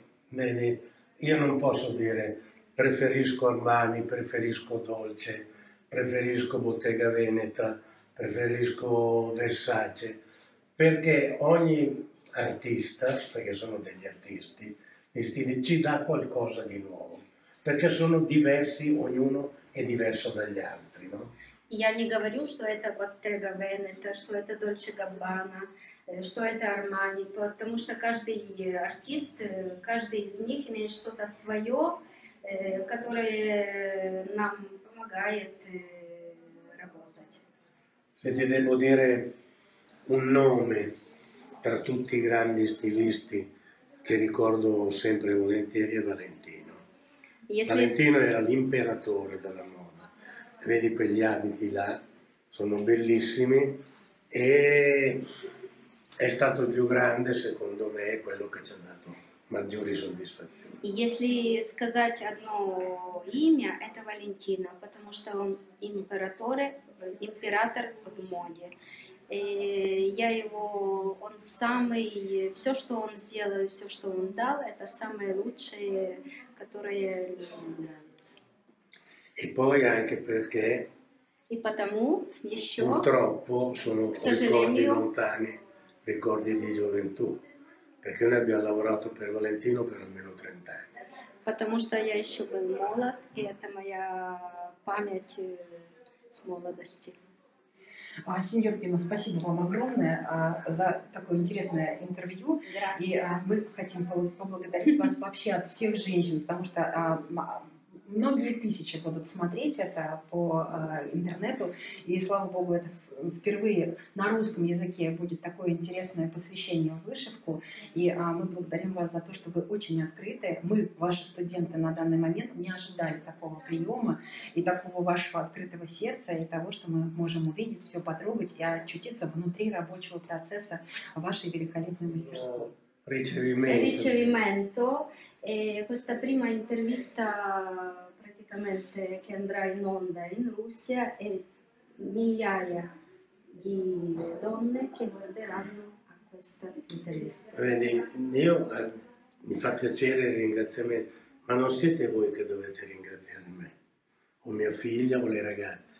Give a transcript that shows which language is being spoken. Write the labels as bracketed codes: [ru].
[it] Bene, io non posso dire preferisco Armani, preferisco Dolce, preferisco Bottega Veneta, preferisco Versace, perché ogni artista, perché sono degli artisti, di stile, ci dà qualcosa di nuovo, perché sono diversi, ognuno è diverso dagli altri, no? [ru] Я не говорю, что это Bottega Veneta, что это Dolce & Gabbana, что это Armani, потому что каждый артист, каждый из них имеет что-то свое, которое нам помогает работать. [it] Se ti devo dire un nome tra tutti i grandi stilisti che ricordo sempre volentieri è Valentino. Valentino era l'imperatore della moda. Vedi quegli abiti là, sono bellissimi e è stato il più grande, secondo me, quello che ci ha dato maggiori soddisfazioni. [ru] Если сказать одно имя, это Валентино, потому что он император в моде. Я его, он самый, все, что он сделал, все, что он дал, это самое лучшее, которое мне нравится. [it] E poi anche perché, [ru] и потому еще, [it] purtroppo, sono ricordi lontani, ricordi di gioventù. Perché noi abbiamo lavorato per Valentino per almeno 30 anni. [ru] Потому что я еще был молод, и это моя память с молодости. Сеньор Пино, спасибо вам огромное за такое интересное интервью. [it] Grazie. [ru] И мы хотим поблагодарить вас вообще от всех женщин, потому что многие тысячи будут смотреть это по интернету, и слава богу, это впервые на русском языке будет такое интересное посвящение в вышивку. И мы благодарим вас за то, что вы очень открыты. Мы, ваши студенты, на данный момент не ожидали такого приема и такого вашего открытого сердца, и того, что мы можем увидеть, все потрогать и очутиться внутри рабочего процесса вашей великолепной мастерской. [it] Ricevimento. Questa prima intervista praticamente che andrà in onda in Russia e migliaia di donne che guarderanno a questa intervista. Vedi, io mi fa piacere il ringraziamento, ma non siete voi che dovete ringraziare me, o mia figlia o le ragazze.